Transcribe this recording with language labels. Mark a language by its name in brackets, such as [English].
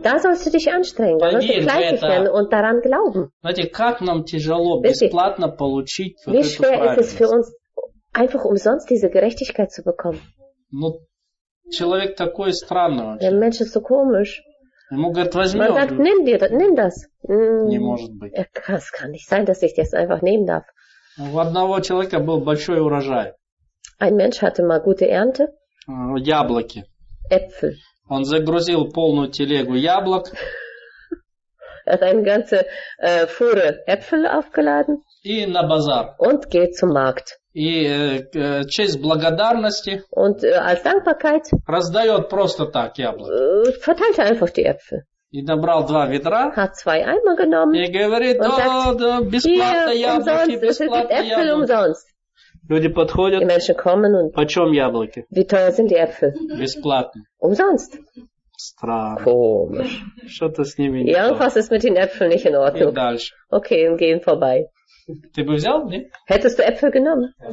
[German] Da sollst du dich anstrengen. Da musst du fleißig werden und daran glauben. [Russian] Знаете, как нам тяжело бесплатно получить вот эту праведность. [German] Wie schwer ist es für uns, einfach umsonst diese Gerechtigkeit zu bekommen? [Russian] Ну, человек такой странный вообще. [German] Der Mensch ist so komisch. [Russian] Ему говорят, возьми. [German] Man sagt, nimm dir, nimm das. [Russian] Не может быть. [German] Das kann nicht sein, dass ich das einfach nehmen darf. [Russian] У одного человека был большой урожай. [German] Ein Mensch hatte mal gute Ernte. [Russian] Яблоки. [German] Äpfel. [Russian] Он загрузил полную телегу яблок. [German] Er hat eine ganze Fuhre Äpfel aufgeladen. [Russian] И на базар. [German] Und geht zum Markt. [Russian] И честь благодарности. [German] Und als Dankbarkeit. [Russian] Раздает просто так яблоки. [German] Verteilt einfach die Äpfel. [Russian] И набрал два ведра. [German] Hat zwei Eimer genommen. [Russian] И говорит, да, да, бесплатно яблоки, бесплатно яблоки. [German] Umsonst. [Russian] Люди подходят. [German] Die Menschen kommen und [Russian] почем яблоки? [German] Wie teuer sind die Äpfel? [Russian] Бесплатно. [German] Umsonst. [Russian] Странно. [German] Komisch. [Russian] Что-то с ними не так. [German] Was ist mit den Äpfeln nicht in Ordnung? [Russian] И дальше. [German] Okay, und gehen vorbei. [Russian] Ты бы взял, не? [German] Hättest du Äpfel genommen?